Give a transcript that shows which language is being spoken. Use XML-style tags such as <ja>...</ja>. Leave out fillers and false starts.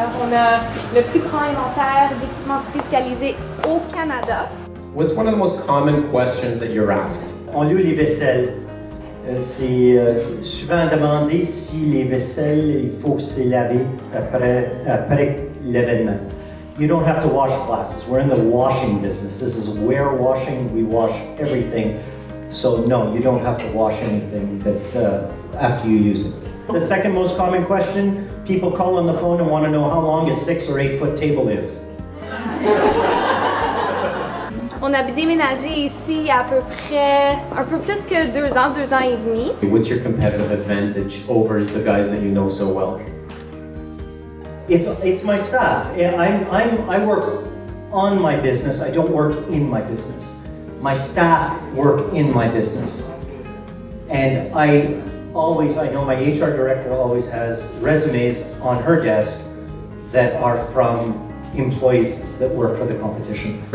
<fr>On a le plus grand inventaire d'équipements spécialisés au Canada.</fr> <en>What's one of the most common questions that you're asked?</en> <fr>On loue les vaisselles. C'est souvent demandé si les vaisselles, il faut se laver après l'événement.</fr> <en>You don't have to wash glasses. We're in the washing business. This is ware washing. We wash everything. So no, you don't have to wash anything that after you use it. The second most common question, people call on the phone and want to know how long a 6 or 8 foot table is.</en> <fr>On a déménagé ici à peu près, un peu plus que 2 ans, 2 ans et demi.</fr> <en>What's your competitive advantage over the guys that you know so well? It's my staff. I work on my business. I don't work in my business. My staff work in my business. And I know my HR director always has resumes on her desk that are from employees that work for the competition.</en>